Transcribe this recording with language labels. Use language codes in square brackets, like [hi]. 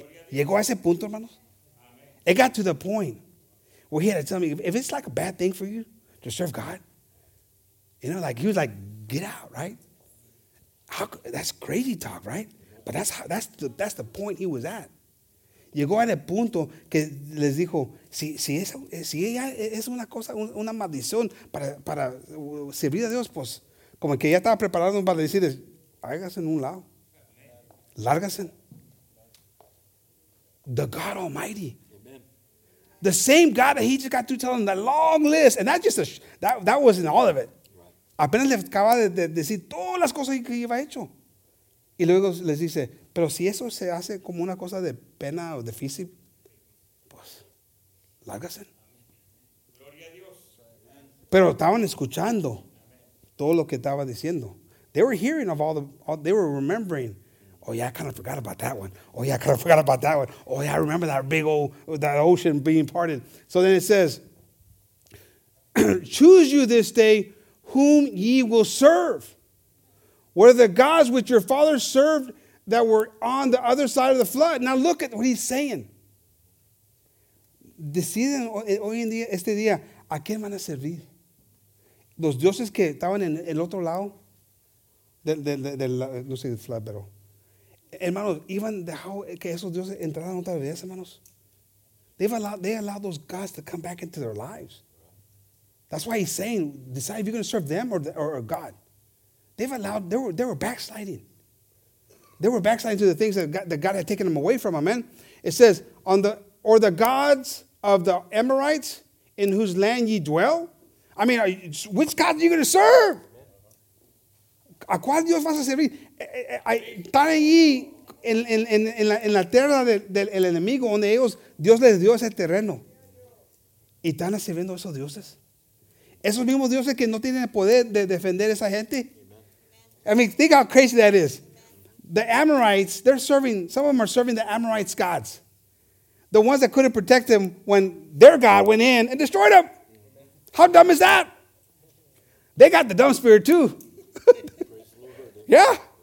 [es] Llegó a ese punto, hermanos. [en] It got to the point where he had to tell me, if it's like a bad thing for you to serve God, you know, like he was like, get out, right? That's crazy talk, right? But that's the point he was at. [es] Llegó al punto que les dijo, si ella es una cosa, una maldición para servir a Dios, pues como que ya estaba preparado para decirles, hágase en un lado. Lárgase. [en] The God Almighty. Amen. The same God that he just got to tell them, that long list, and that wasn't all of it. Right. [es] Apenas le acaba de decir todas las cosas que iba hecho. Y luego les dice, pero si eso se hace como una cosa de pena o difícil, pues, lárgase. Gloria a Dios. Pero estaban escuchando todo lo que estaba diciendo. [en] They were hearing of all they were remembering. Oh, yeah, I kind of forgot about that one. Oh, yeah, I kind of forgot about that one. Oh, yeah, I remember that big old, that ocean being parted. So then it says, choose you this day whom ye will serve. Were the gods which your fathers served that were on the other side of the flood. Now look at what he's saying. [es] Deciden hoy en día, este día, ¿a quién van a servir? Los dioses que estaban en el otro lado, no sé, flood, pero. Hermanos, ¿iban dejar que esos dioses entraran otra vez, hermanos? [en] They allowed those gods to come back into their lives. That's why he's saying, decide if you're going to serve them or God. They were backsliding. They were backsliding to the things that God had taken them away from. Amen. It says, or the gods of the Amorites in whose land ye dwell. I mean, which gods are you going to serve? [es] ¿A cuál Dios vas a servir? Están allí en la tierra del enemigo donde ellos, Dios les dio ese terreno. ¿Y están sirviendo esos dioses? Esos mismos dioses que no tienen el poder de defender esa gente. [en] I mean, think how crazy that is. The Amorites, they're serving, some of them are serving the Amorites' gods. The ones that couldn't protect them when their God went in and destroyed them. How dumb is that? They got the dumb spirit too. Yeah.